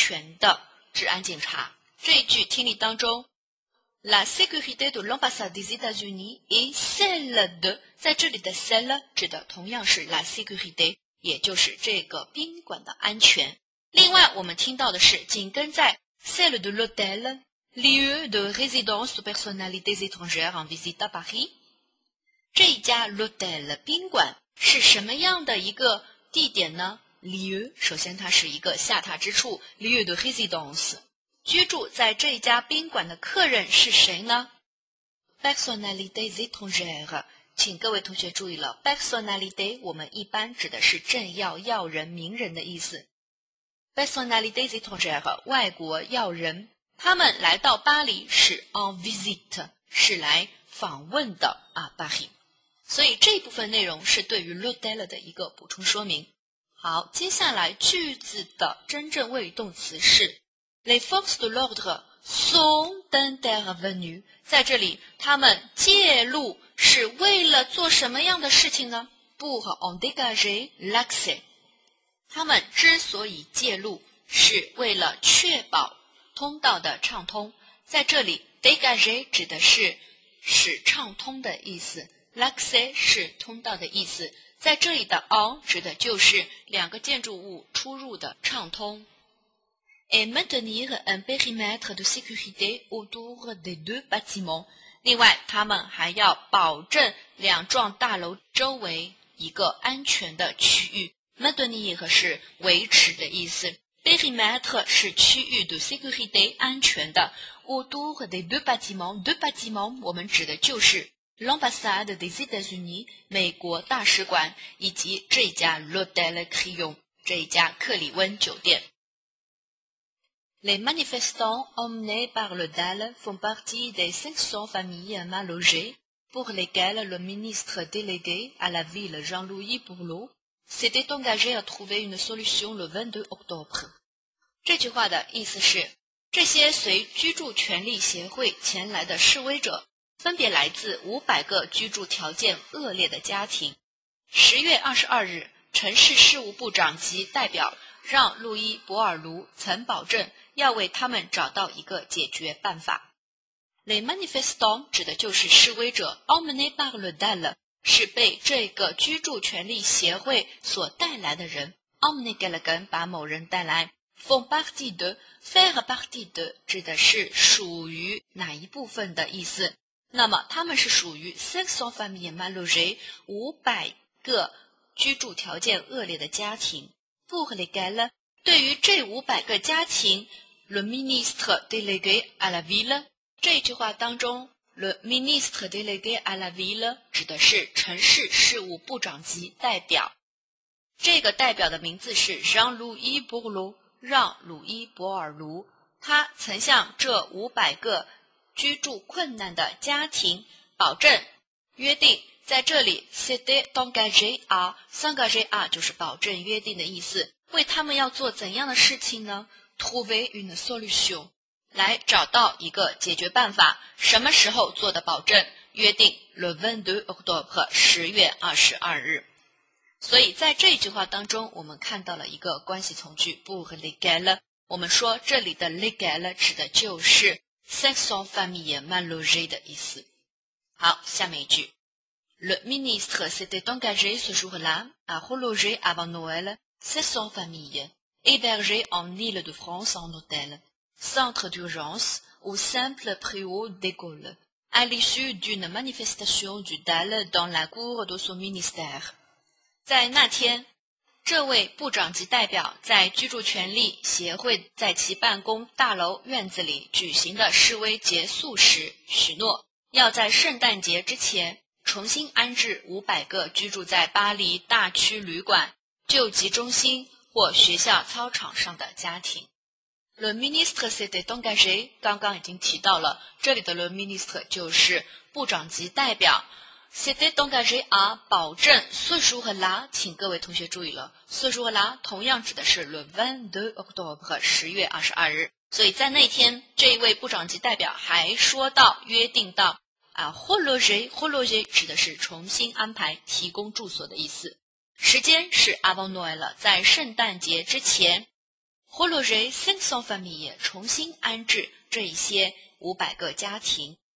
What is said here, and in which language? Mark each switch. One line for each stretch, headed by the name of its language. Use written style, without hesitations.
Chinese: 他们是确保美国大使馆和这一家宾馆安全的治安警察.这一句听力当中,
French: La sécurité de l'ambassade des États-Unis et celle de,
Chinese: 在这里的 celle 指的同样是 la sécurité, 也就是这个宾馆的安全. 另外我们听到的是紧跟在
French: celle de l'hôtel, lieu de résidence de personnalités étrangères en visite à Paris.
Chinese: 这一家 l'hôtel 宾馆是什么样的一个地点呢？lieu 首先它是一个下榻之处 ，
French: lieu de résidence。
Chinese: 居住在这一家宾馆的客人是谁呢？
French: Personnalités étrangères，
Chinese: 请各位同学注意了 ，personnalité 我们一般指的是政要、要人、名人的意思。
French: Personnalités étrangères
Chinese: 外国要人，他们来到巴黎是
French: en visite，
Chinese: 是来访问的啊，巴黎。所以这部分内容是对于 l'hôtel 的一个补充说明。好，接下来句子的真正谓语动词是
French: les forces de l'ordre sont intervenues，
Chinese: 在这里他们介入是为了做什么样的事情呢
French: ？Pour en dégager l'accès。
Chinese: 他们之所以介入是为了确保通道的畅通，在这里
French: dégager
Chinese: 指的是使畅通的意思， l'accès 是通道的意思，在这里的 on 指的就是两个建筑物出入的畅通。
French: Et maintenir un périmètre de sécurité autour des deux bâtiments，
Chinese: 另外他们还要保证两幢大楼周围一个安全的区域。
French: Maintenir
Chinese: 是维持的意思， périmètre 是区域的 sécurité 安全的。
French: Autour des deux bâtiments, deux bâtiments
Chinese: 我们指的就是
French: l'ambassade des États-Unis
Chinese: 美国大使馆以及这家 l'hôtel Crillon 这家克里温酒店。
French: Les manifestants emmenés par le DAL font partie des 500 familles mal logées pour lesquelles le ministre délégué à la ville Jean-Louis Bourleau s'était engagé à trouver une solution le 22 octobre.
Chinese: 这句话的意思是这些随居住权利协会前来的示威者分别来自500个居住条件恶劣的家庭。 10月22日城市事务部长及代表让路易·博尔卢曾保证要为他们找到一个解决办法。
French: Les manifestants
Chinese: 指的就是示威者
French: emmenés par le DAL
Chinese: 是被这个居住权利协会所带来的人
French: ，omni galgan
Chinese: 把某人带来
French: ，font partie de faire partie de
Chinese: 指的是属于哪一部分的意思。那么他们是属于
French: 500 familles mal logées
Chinese: 500个居住条件恶劣的家庭。
French: pour lesquelles
Chinese: 对于这500个家庭
French: ，le ministre délégué à la ville
Chinese: 这句话当中。
French: Le ministre délégué à la ville
Chinese: 指的是城市事务部长级代表。这个代表的名字是 Jean-Louis Bourleau， 让鲁伊·博尔卢。他曾向这500个居住困难的家庭保证约定在这里
French: c'était engagé à，
Chinese: 3engagé à 就是保证约定的意思。为他们要做怎样的事情呢
French: ？Trouver une solution。
Chinese: 来找到一个解决办法，什么时候做的保证？约定
French: le 22 octobre 10月22日。
Chinese: 所以在这句话当中，我们看到了一个关系从句 pour lesquels。我们说这里的 lesquels 指的就是
French: 500 familles mal logées
Chinese: 的意思。好，下面一句
French: ，Le ministre s'était engagé ce jour-là à reloger avant Noël 500 familles hébergées en Île-de-France en hôtel。 Centre d'urgence ou simple préau d'école, à l'issue d'une manifestation du DAL dans la cour de son ministère.
Chinese: 在那天，这位部长级代表在居住权利协会在其办公大楼院子里举行的示威结束时，许诺要在圣诞节之前重新安置500个居住在巴黎大区旅馆、救济中心或学校操场上的家庭。
French: Le ministre s'était engagé,
Chinese: 刚刚已经提到了，这里的 le ministre 就是部长级代表。
French: s'était engagé à
Chinese: 保证
French: ce jour-là,
Chinese: 请各位同学注意了 ,ce jour-là 同样指的是
French: le 22 octobre,
Chinese: 10月22日。所以在那天这一位部长级代表还说到约定到啊 ,reloger,reloger 指的是重新安排提供住所的意思。时间是
French: avant Noël
Chinese: 了，在圣诞节之前。
French: Reloger 500 familles
Chinese: 重新安置这一些500个家庭。